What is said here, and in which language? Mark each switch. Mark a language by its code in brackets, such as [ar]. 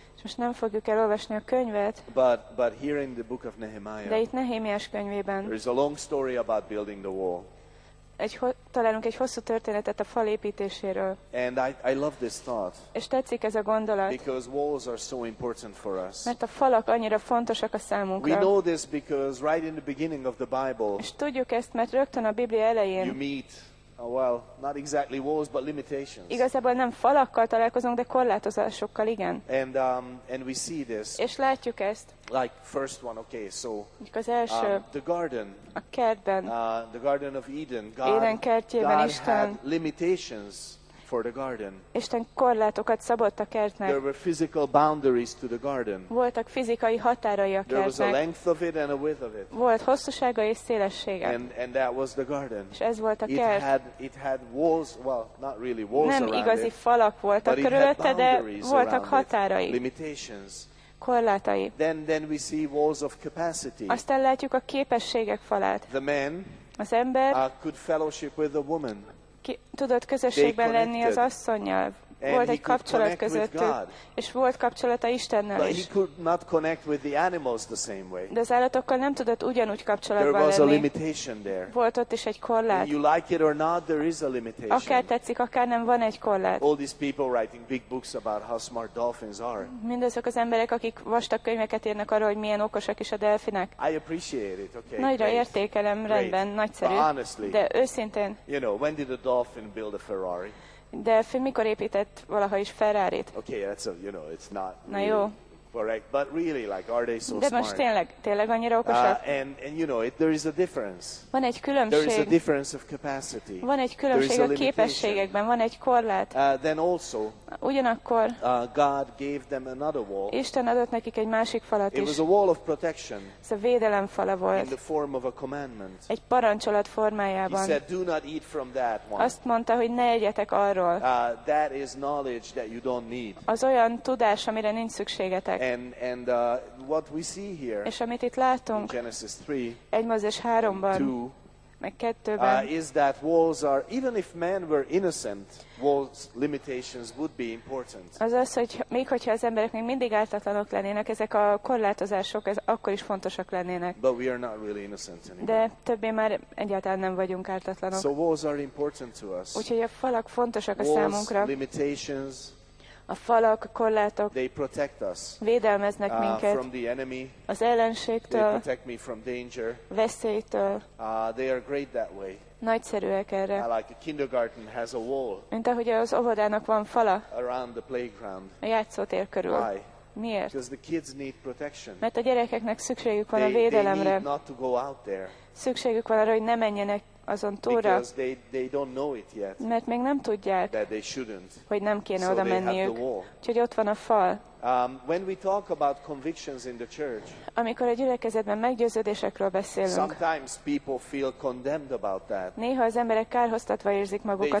[hu] Most nem fogjuk elolvasni a könyvet. [en] But here in the book of Nehemiah. [hu] De itt Nehémiás könyvében. [en] There is a long story about building the wall. [hu] Találunk egy hosszú történetet a fal építéséről. [en] And I love this thought. [hu] És tetszik ez a gondolat. [en] Because walls are so important for us. [hu] Mert a falak annyira fontosak a számunkra. [en] We know this because right in the beginning of the Bible. [hu] És tudjuk ezt, mert rögtön a Biblia elején. [en] You meet. Not exactly walls, but limitations. [hu] Igazából nem falakkal találkozunk, de korlátozásokkal igen. [en] And we see this. [hu] És látjuk ezt. [en] Like first one, okay, so. [hu] Az első. [en] The garden. [hu] A kertben. [en] The Garden of Eden. [hu] Éden kertjében [en] God [hu] Isten. [en] Had limitations for the garden. [hu] Isten korlátokat szabott a kertnek. [en] There were physical boundaries to the garden. [hu] Voltak fizikai határai a kertnek. [en] There was a length of it and a width of it. [hu] Volt hosszúsága és szélessége. [en] And that was the garden. [hu] És ez volt a kert. [en] It had walls, not really walls. [hu] Nem igazi falak voltak körülötte, de voltak határai. [en] Limitations. [hu] Korlátai. [en] Then we see walls of capacity. [hu] Aztán látjuk a képességek falát. [en] The man. [hu] Az ember. [en] Could fellowship with the woman. [hu] Ki tudott közösségben lenni az asszonnyal. Volt egy kapcsolat közöttük, és volt kapcsolata Istennel is. [en] But he could not connect with the animals the same way. [hu] De az állatokkal nem tudott ugyanúgy kapcsolatban lenni. [en] There was a limitation there. [hu] Volt ott is egy korlát. [en] You like it or not, there is a limitation. [hu] Akár tetszik, akár nem, van egy korlát. [en] All these people writing big books about how smart dolphins are. [hu] Mindazok az emberek, akik vastag könyveket írnak arról, hogy milyen okosak is a delfinek. [en] I appreciate it, okay. [hu] Nagyra értékelem, rendben, nagyszerű. [en] But honestly, [hu] de őszintén. [en] You know, when did a dolphin build a Ferrari? [hu] De film mikor épített valaha is Ferrarit? [en] Okay, that's a, you know, it's not. [hu] Na [en] really [hu] jó. [en] Correct, but really, like, are they so [hu] de [en] smart? [hu] De most tényleg annyira okosak? [en] And you know, there is a difference. [hu] Van egy különbség. [en] There is a difference of capacity. [hu] Van egy különbség a képességekben, van egy korlát. [en] Then also. [hu] Ugyanakkor. [en] God gave them another wall. [hu] Isten adott nekik egy másik falat is. [en] It was a wall of protection. [hu] Ez a védelem fala volt. [en] In the form of a commandment. [hu] Egy parancsolat formájában. [en] He said, "Do not eat from that one." [hu] Azt mondta, hogy ne egyetek arról. [en] That is knowledge that you don't need. [hu] Az olyan tudás, amire nincs szükségetek. [en] And what we see here. [hu] És amit itt látunk. [en] Genesis 3. [hu] 1 Mózes 3-ban. Meg kettőben. [en] Is that walls are, even if men were innocent, walls limitations would be important. [hu] Az, hogy még hogyha az emberek még mindig ártatlanok lennének, ezek a korlátozások, ez akkor is fontosak lennének. [en] But we are not really innocent anymore. [hu] De többé már egyáltalán nem vagyunk ártatlanok. [en] So walls are important to us. [hu] Úgyhogy a falak fontosak [en] walls, [hu] a számunkra. [en] Limitations. [hu] A falak, a korlátok. [en] They protect us. [hu] Védelmeznek minket. [en] From the enemy. [hu] Az ellenségtől. [en] They protect me from danger. [hu] Veszélytől. [en] They are great that way. [hu] Nagyszerűek erre. [en] Like a kindergarten has a wall. [hu] Mint ahogy az óvodának van fala. [en] Around the playground. [hu] A játszótér körül. [en] Why? [hu] Miért? [en] Because the kids need protection. [hu] Mert a gyerekeknek szükségük van a védelemre. [en] They need not to go out there. [hu] Szükségük van arra, hogy ne menjenek azon túlra, [en] because they don't know it yet, [hu] mert még nem tudják, [en] that they shouldn't, [hu] hogy nem kéne oda [en] so [hu] menniük, úgyhogy ott van a fal. [en] When we talk about convictions in the church, [hu] amikor a gyülekezetben meggyőződésekről beszélünk, [en] sometimes people feel condemned about that. [hu] Néha az emberek kárhoztatva érzik magukat